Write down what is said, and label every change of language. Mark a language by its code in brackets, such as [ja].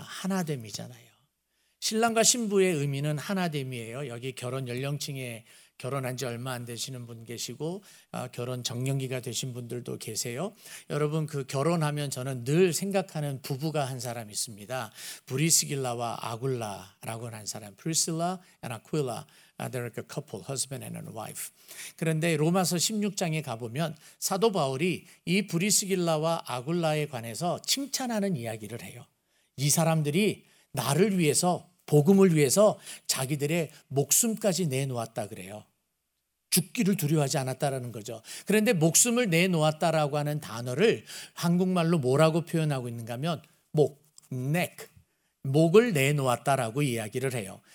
[ko] 하나됨이잖아요. 신랑과 신부의 의미는 하나됨이에요. 여기 결혼 연령층에 결혼한 지 얼마 안 되시는 분 계시고 결혼 정년기가 되신 분들도 계세요. 여러분 그 결혼하면 저는 늘 생각하는 부부가 한 사람 있습니다. 브리스길라와 아굴라라고 한 사람. [en] Priscilla and Aquila. They're like a couple, husband and a wife. [ko] 그런데 로마서 16장에 가보면 사도 바울이 이 브리스길라와 아굴라에 관해서 칭찬하는 이야기를 해요. 이 사람들이 나를 위해서 복음을 위해서 자기들의 목숨까지 내놓았다 그래요. 죽기를 두려워하지 않았다라는 거죠. 그런데 목숨을 내놓았다라고 하는 단어를 한국말로 뭐라고 표현하고 있는가 하면 목, neck, 목을 내놓았다라고 이야기를 해요.